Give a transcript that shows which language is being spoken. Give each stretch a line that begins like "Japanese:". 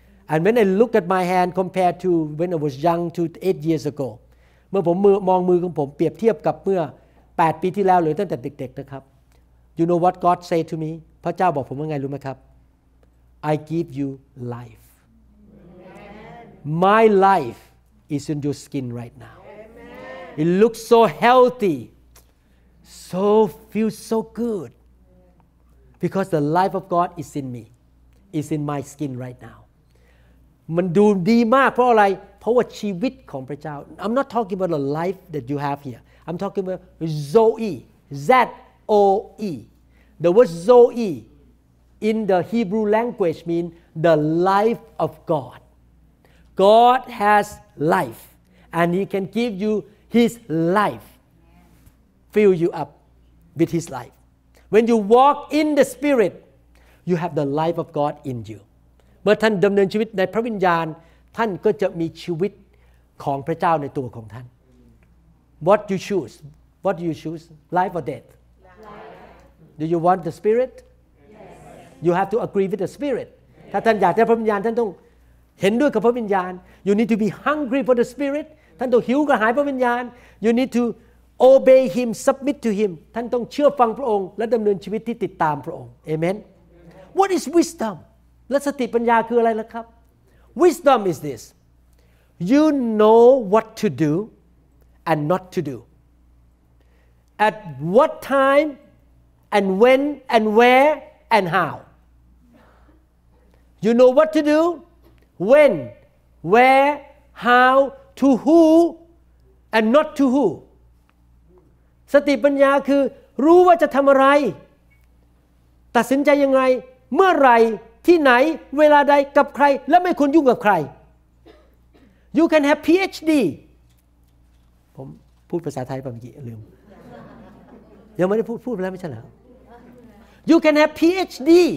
English: And when I look at my hand compared to when I was young to 8 years ago.
Thai: เมื่อผมมองมือของผมเปรียบเทียบกับเมื่อ8ปีที่แล้วหรือตั้งแต่เด็กๆนะครับ
English: You know what God say to me?
Thai: พระเจ้าบอกผมว่าไงรู้ไหมครับ
English: I give you life. Amen. My life is in your skin right now. Amen. It looks so healthy. So feels so good. Because the life of God is in meis in my skin right now
Thai: มันดูดีมากเพราะอะไรเพราะว่าชีวิตของพระเจ้า
English: I'm not talking about the life that you have here I'm talking about Zoe Z-O-E the word Zoe in the Hebrew language means the life of God God has life and he can give you his life fill you up with his life when you walk in the spiritYou have the life of God in you.
Thai: เมื่อท่านดำเนินชีวิตในพระวิญญาณท่านก็จะมีชีวิตของพระเจ้าในตัวของท่าน
English: What you choose? What do you choose? Life or death? Life. Do you want the Spirit? Yes. You have to agree with the Spirit.
Thai: ถ้าท่านอยากได้พระวิญญาณท่านต้องเห็นด้วยกับพระวิญญาณ
English: You need to be hungry for the Spirit.
Thai: ท่านต้องหิวกระหายพระวิญญาณ
English: You need to obey Him, submit to Him.
Thai: ท่านต้องเชื่อฟังพระองค์และดำเนินชีวิตที่ติดตามพระองค์ Amen.
English: What is wisdom?
Thai: และสติปัญญาคืออะไรล่ะครับ
English: Wisdom is this. You know what to do and not to do. At what time and when and where and how. You know what to do, when, where, how, to who, and not to who.
Thai: สติปัญญาคือรู้ว่าจะทำอะไรตัดสินใจยังไงเมื่อไรที่ไหนเวลาใดกับใครและไม่ควรยุ่งกับใคร
English: You can have PhD
Thai: ผมพูดภาษาไทยไปเมื่อกี้ลืมยังไม่ได้พูดไปแล้วไม่ใช่เหรอ You can have PhD